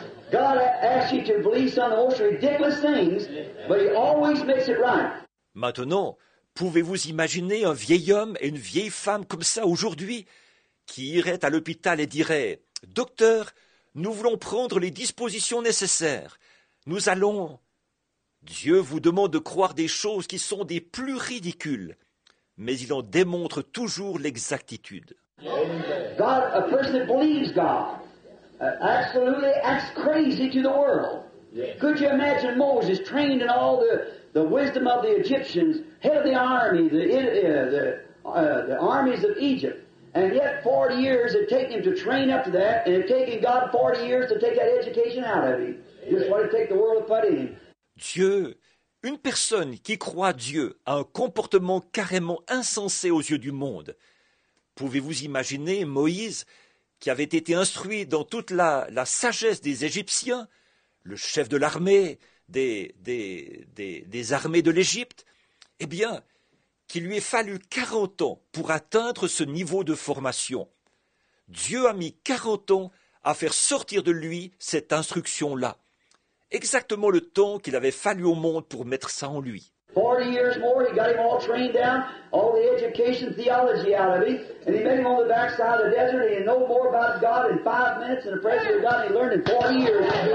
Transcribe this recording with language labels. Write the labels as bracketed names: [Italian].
[English] God asks you to believe some of the most ridiculous things, but he always makes it right. [French] Maintenant, pouvez-vous imaginer un vieil homme et une vieille femme comme ça aujourd'hui qui irait à l'hôpital et dirait, « Docteur, nous voulons prendre les dispositions nécessaires. Nous allons... » Dieu vous demande de croire des choses qui sont des plus ridicules, mais il en démontre toujours l'exactitude. [English] God, a person that believes God, absolutely acts crazy to the world. Could you imagine Moses trained in all the wisdom of the Egyptians, head of the army, the armies of Egypt? And yet 40 years it taken him to train up to that, and it taken God 40 years to take that education out of him. Just what it take the world to put in him. [French] Dieu, une personne qui croit Dieu a un comportement carrément insensé aux yeux du monde. Pouvez-vous imaginer Moïse, qui avait été instruit dans toute la sagesse des Égyptiens, le chef de l'armée, des armées de l'Égypte, eh bien, qu'il lui ait fallu 40 ans pour atteindre ce niveau de formation. Dieu a mis 40 ans à faire sortir de lui cette instruction-là. Exactement le temps qu'il avait fallu au monde pour mettre ça en lui. [English] 40 years more, he got him all trained down, all the education theology out of him, and he met him on the backside of the desert, and he knew more about God in 5 minutes in the presence of God than he learned in 40 years.